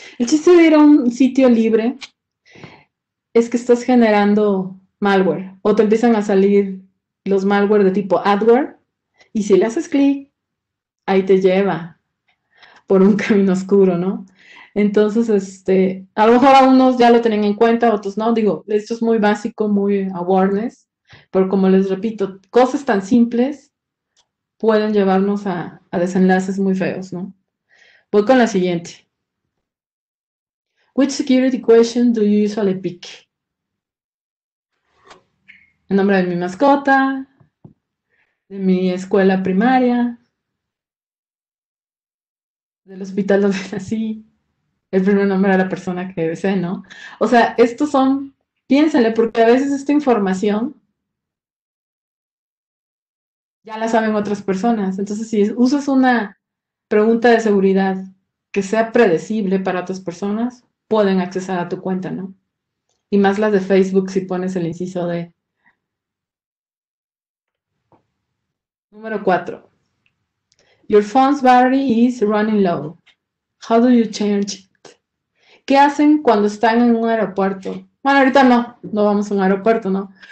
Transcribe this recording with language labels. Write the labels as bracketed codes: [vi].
[es] El chiste de ir a un sitio libre es que estás generando malware, o te empiezan a salir los malware de tipo adware, y si le haces clic, ahí te lleva por un camino oscuro, ¿no? Entonces, a lo mejor a unos ya lo tienen en cuenta, otros no. Digo, esto es muy básico, muy awareness, pero como les repito, cosas tan simples pueden llevarnos a desenlaces muy feos, ¿no? Voy con la siguiente. [en] Which security question do you usually pick? [es] El nombre de mi mascota, de mi escuela primaria, del hospital donde nací, El primer nombre a la persona que desee, ¿no? O sea, estos son, piénsale, porque a veces esta información ya la saben otras personas. Entonces, si usas una pregunta de seguridad que sea predecible para otras personas, pueden accesar a tu cuenta, ¿no? Y más las de Facebook si pones el inciso de. Número 4. [en] Your phone's battery is running low. How do you change? [es] ¿Qué hacen cuando están en un aeropuerto? Bueno, ahorita no, no vamos a un aeropuerto, ¿no?